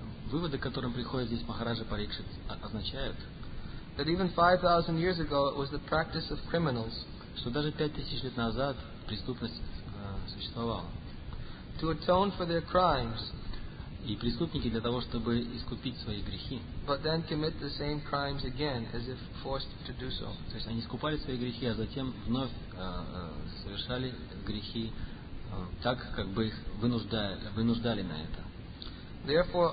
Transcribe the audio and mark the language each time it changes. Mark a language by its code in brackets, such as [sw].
[ru] Выводы, к которым приходит здесь Махараджа Парикшит, означают, [en] that even 5,000 years ago it was the practice of criminals. [ru] Что даже 5,000 лет назад преступность существовала. [en] To atone for their crimes. [ru] И преступники для того, чтобы искупить свои грехи. [en] But then commit the same crimes again, as if forced to do so. [ru] То есть они искупали свои грехи, а затем вновь совершали грехи. Так, как бы их вынуждали на это.